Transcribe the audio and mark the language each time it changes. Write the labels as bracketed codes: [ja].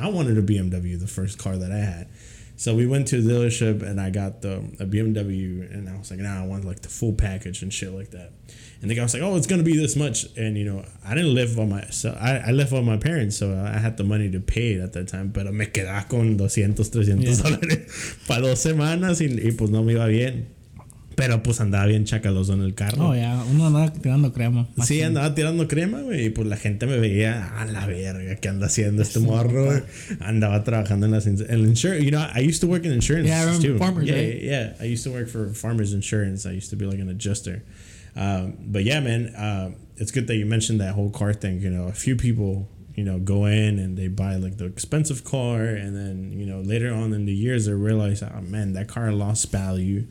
[en] I wanted a BMW, the first car that I had. So we went to a dealership and I got a BMW and I was like, nah, I want like the full package and shit like that. And the guy was like, oh, it's going to be this much. And, you know, I didn't live on my, so I lived on my parents, so I had the money to pay it at that time. [es] Pero me quedé con 200, 300 dólares para dos semanas y pues no me iba bien. Pero pues andaba bien chacaloso en el carro. Oh, yeah. Uno andaba tirando crema. Sí, andaba tirando crema, güey. Y pues la gente me veía, a la verga, ¿qué anda haciendo este morro? Andaba trabajando en el insurance. [en] You know, I used to work in insurance. Yeah, I remember too. Farmers, yeah, right? Yeah, yeah, I used to work for Farmers Insurance. I used to be like an adjuster. But yeah, man, it's good that you mentioned that whole car thing. You know, a few people, you know, go in and they buy like the expensive car, and then, you know, later on in the years they realize, oh man, that car lost value.